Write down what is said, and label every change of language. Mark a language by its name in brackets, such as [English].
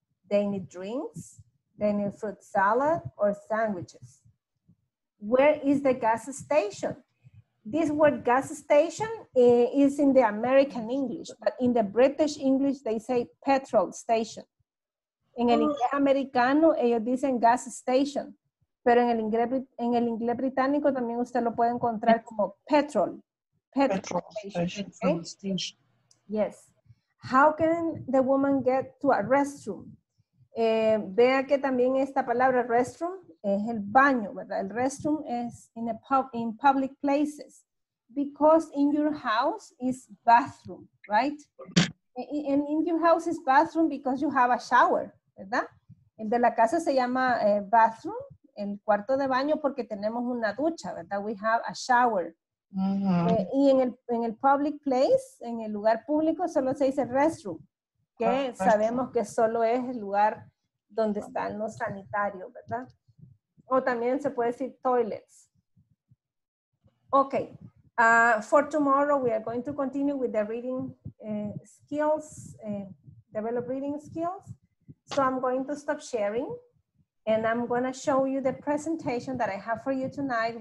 [English] They need drinks, they need fruit salad, or sandwiches. Where is the gas station? This word gas station is in the American English, but in the British English, they say petrol station. [Spanish] En el inglés americano, ellos dicen gas station, pero en el inglés británico también usted lo puede encontrar como petrol, [English] petrol station. Yes. How can the woman get to a restroom? [Spanish] Vea que también esta palabra restroom es el baño, ¿verdad? [English] El restroom is in a in public places. Because in your house is bathroom, right? And in your house is bathroom because you have a shower, ¿verdad? [Spanish] El de la casa se llama bathroom, el cuarto de baño, porque tenemos una ducha, ¿verdad? [English] We have a shower. [Spanish] Uh-huh. Y en el public place, en el lugar público, solo se dice restroom, que sabemos que solo es el lugar donde están los sanitarios, ¿verdad? O también se puede decir toilets. [English] Ok, for tomorrow we are going to continue with the reading skills, develop reading skills. So I'm going to stop sharing. And I'm gonna show you the presentation that I have for you tonight.